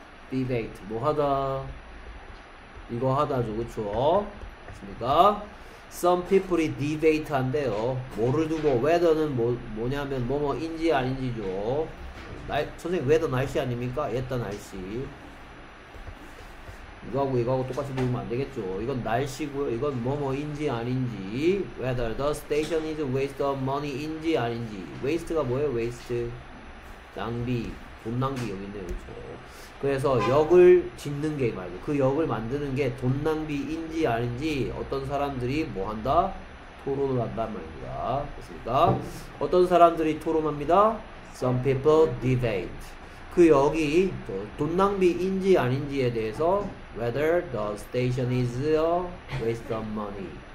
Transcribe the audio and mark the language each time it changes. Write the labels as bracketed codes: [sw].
[ko] debate. 뭐 하다? 이거 하다죠, 그쵸? 맞습니까? [en] Some people [ko] 이 debate 한대요. 뭐를 두고, weather는 뭐냐면, 뭐인지 아닌지죠. 선생님, weather 날씨 아닙니까? 옛다 날씨. 이거하고 똑같이 보면 안 되겠죠. 이건 날씨고요. 이건 뭐인지 아닌지. [en] Whether the station is waste of money [ko] 인지 아닌지. waste가 뭐예요? waste. 낭비. 돈 낭비 여기 있네요. 그렇죠. 그래서 역을 짓는 게 말고 그 역을 만드는 게 돈 낭비인지 아닌지 어떤 사람들이 뭐 한다? 토론을 한단 말입니다. 그렇습니까? 어떤 사람들이 토론합니다. [en] Some people debate. [ko] 그 역이 돈 낭비인지 아닌지에 대해서 [en] whether the station is a waste of money.